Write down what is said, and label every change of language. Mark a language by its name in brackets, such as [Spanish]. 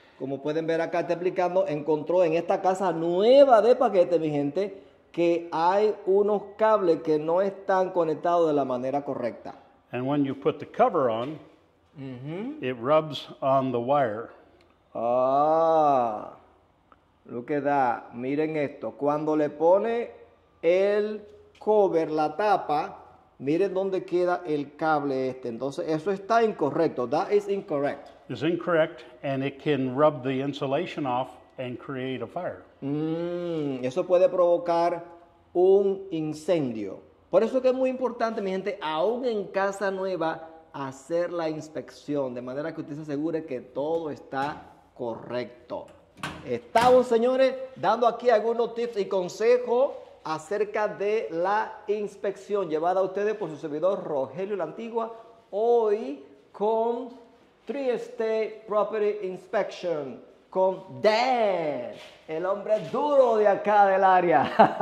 [Spanish] Como pueden ver acá, está explicando, encontró en esta casa nueva de paquete, mi gente, que hay unos cables que no están conectados de la manera correcta. [English] And when you put the cover on, it rubs on the wire. Ah, look at that. [Spanish] Miren esto. Cuando le pone el cover, la tapa, miren dónde queda el cable este. Entonces, eso está incorrecto. [English] That is incorrect. It's incorrect, and it can rub the insulation off and create a fire. [Spanish] Eso puede provocar un incendio. Por eso es que es muy importante, mi gente, aún en casa nueva, hacer la inspección, de manera que usted se asegure que todo está correcto. Estamos, señores, dando aquí algunos tips y consejos acerca de la inspección llevada a ustedes por su servidor Rogelio La Antigua, hoy con Tri-State Property Inspection, con Dan, el hombre duro de acá del área.